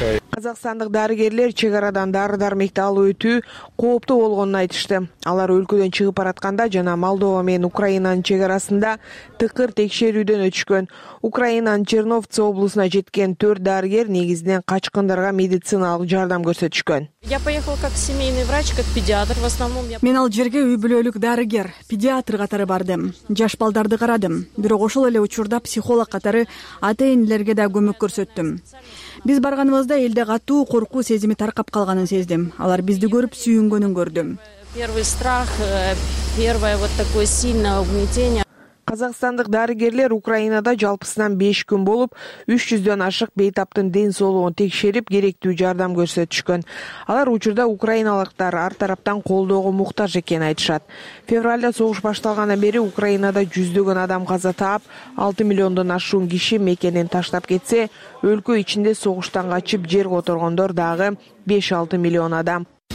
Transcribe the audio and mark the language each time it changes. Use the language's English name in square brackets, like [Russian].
[Kyrgyz] Казахстандык дарыгерлер чек арадан дары-дармекти алып өтүү кооптуу болгонун айтышты. Алар өлкөдөн чыгып баратканда жана Молдова менен Украинанын чек арасында тыкыр текшерүүдөн өтүшкөн. Украинанын Черновцы облусуна жеткен 4 дарыгер негизинен качкындарга медициналык жардам көрсөтүшкөн. [Russian] Я поехал как семейный врач, как педиатр в основном. [Kyrgyz] Мен ал жерге үй бүлөлүк дарыгер, педиатр катары бардым. Жаш балдарды карадым. Бирок ошол эле учурда психолог катары ата-энелерге да көмөк көрсөттүм. Биз барганыбызда элде катуу коркуу сезими таркап калганын сездим. Алар бизди көрүп сүйүнгөнүн көрдүм. [Russian] Первый страх, первое вот такое сильное угнетение. [Kyrgyz] Казахстандык дарыгерлер Украинада жалпысынан 5 күн болуп, 300-дөн ашык бейтаптын ден соолугун текшерип, керектүү жардам көрсөтүшкөн. Алар учурда украиналыктар ар тараптан колдоого муктаж экенин айтышат. Февралда согуш башталгандан бери Украинада 100-дөгөн адам каза таап, 6 миллиондон ашуун киши мекенин таштап кетсе, өлкө ичинде согуштан качып жер которгондор дагы 5-6 миллион адам.